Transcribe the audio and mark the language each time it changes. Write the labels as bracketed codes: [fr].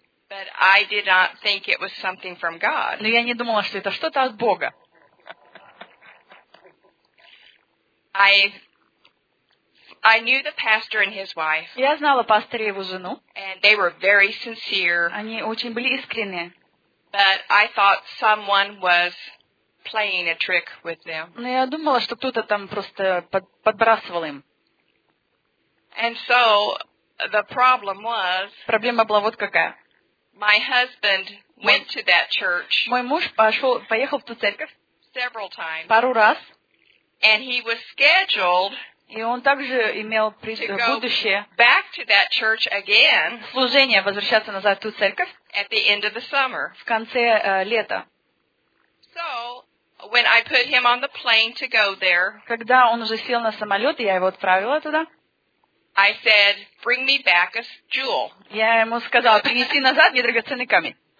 [en] but I did not think it was something from God. [ru] Но я не думала, что это что-то от Бога. [en] I knew the pastor and his wife. [ru] Я знала пастора и его жену, [en] and they were very sincere. [ru] Они очень были искренние, [en] but I thought someone was playing a trick with them. [ru] Но я думала, что кто-то там просто подбрасывал им. [en] And so the problem was. [ru] Проблема была вот какая. [en] My husband went to that church. [ru] Мой муж поехал в ту церковь. [en] Several times. [ru] Пару раз. [en] And he was scheduled. [ru] И он также имел будущее. [en] Back to that church again. [ru] Служение возвращаться назад в ту церковь. [en] At the end of the summer. [ru] В конце лета. [en] So when I put him on the plane to go there, [ru] когда он уже сел на самолет, я его отправила туда. [en] I said, "Bring me back a jewel." [ru] Я ему сказала, принеси назад мне драгоценный камень.